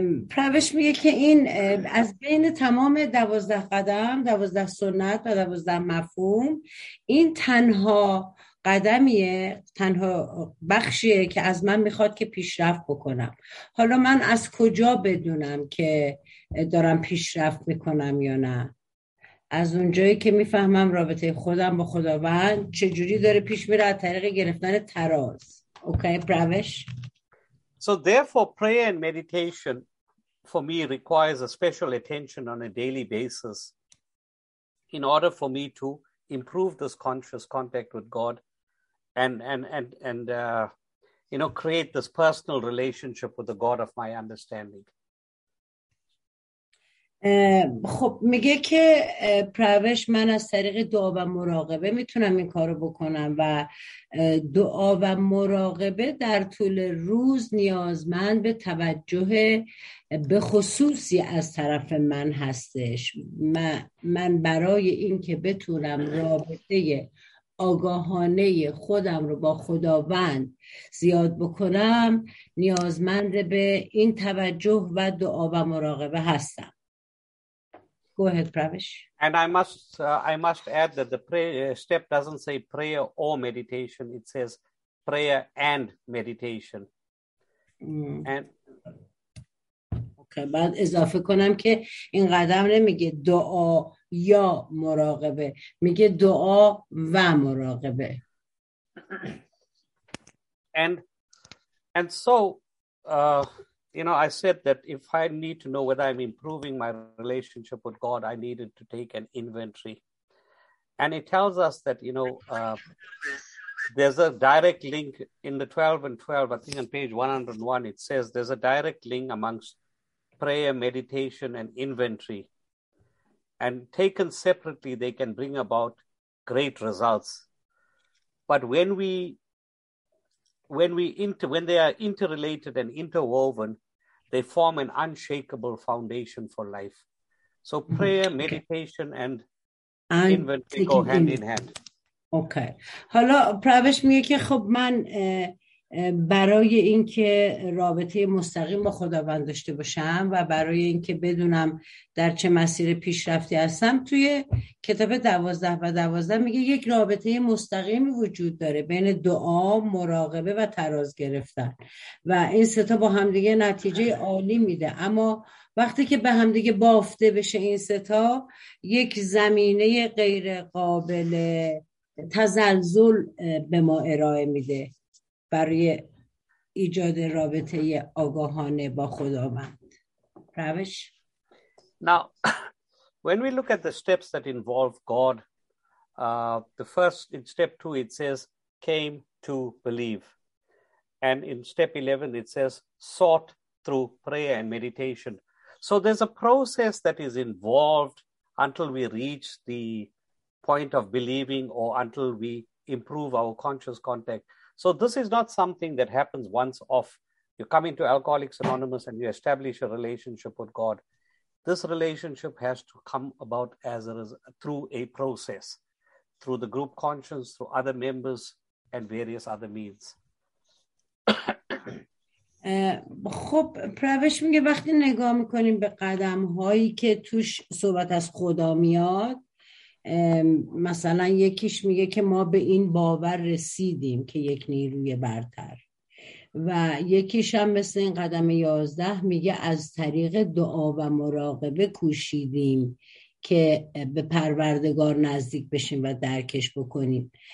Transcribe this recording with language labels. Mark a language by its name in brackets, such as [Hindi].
[Persian] پروش میگه که این از بین تمام 12 قدم، 12 سنت و 12 مفهوم، این تنها قدمیه، تنها بخشیه که از من میخواد که پیشرفت بکنم. حالا من از کجا بدونم که دارم پیشرفت میکنم یا نه؟ از اونجایی که میفهمم رابطه خودم با خداوند چجوری داره پیش میره، از طریق گرفتن تراز. اوکی پروش. [English] So therefore prayer and meditation for me requires a special attention on a daily basis in order for me to improve this conscious contact with God and create this personal relationship with the God of my understanding. [Persian] خب میگه که پروش، من از طریق دعا و مراقبه میتونم این کارو بکنم و دعا و مراقبه در طول روز نیازمند به توجه به خصوصی از طرف من هستش. من برای این که بتونم رابطه آگاهانه خودم رو با خداوند زیاد بکنم نیازمند به این توجه و دعا و مراقبه هستم. [English] Go ahead, Pravish. And I must add that the prayer step doesn't say prayer or meditation. It says prayer and meditation. And [Persian] okay, بعد اضافه کنم که این قدم نمیگه دعا یا مراقبه، میگه دعا و مراقبه. [English] And so you know, I said that if I need to know whether I'm improving my relationship with God, I needed to take an inventory. And it tells us that, you know, there's a direct link in the 12 and 12, I think on page 101, it says there's a direct link amongst prayer, meditation, and inventory. And taken separately, they can bring about great results. But when they are interrelated and interwoven, they form an unshakable foundation for life. So prayer, meditation, and inventory go hand in hand. [Persian] اوکی. حالا پروش میگه که خب من برای اینکه رابطه مستقیم با خداوند داشته باشم و برای اینکه بدونم در چه مسیر پیشرفتی هستم، توی کتاب 12 و 12 میگه یک رابطه مستقیمی وجود داره بین دعا، مراقبه و تراز گرفتن و این سه تا با همدیگه نتیجه عالی میده. اما وقتی که به همدیگه بافته بشه این سه تا، یک زمینه غیر قابل تزلزل به ما ارائه میده برای ایجاد رابطه آگاهانه با خداوند. روش. [English] Now, when we look at the steps that involve God, the first in step 2 it says came to believe, and in step 11 it says sought through prayer and meditation. So there's a process that is involved until we reach the point of believing or until we improve our conscious contact. So this is not something that happens once off. You come into Alcoholics Anonymous and you establish a relationship with God. This relationship has to come about through a process, through the group conscience, through other members and various other means. [Persian] خب پروش میگه وقتی نگاه میکنیم به قدم هایی که توش صحبت از خدا میاد، مثلا یکیش میگه که ما به این باور رسیدیم که یک نیروی برتر، و یکیش هم مثل این قدم 11 میگه از طریق دعا و مراقبه کوشیدیم که به پروردگار نزدیک بشیم و درکش بکنیم.